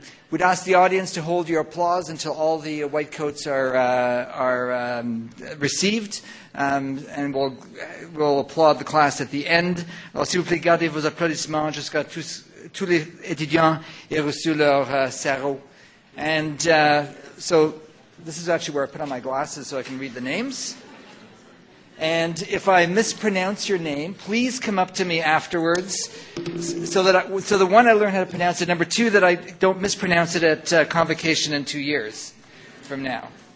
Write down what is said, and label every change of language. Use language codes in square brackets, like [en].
[en] We'd ask the audience to hold your applause until all the white coats are received, and we'll applaud the class at the end. [fr] Alors, s'il vous plaît, gardez vos applaudissements jusqu'à tous les étudiants aient reçu leur sarrau. [en] And so this is actually where I put on my glasses so I can read the names. And if I mispronounce your name, please come up to me afterwards so that I learn how to pronounce it. Number 2, that I don't mispronounce it at convocation in 2 years from now.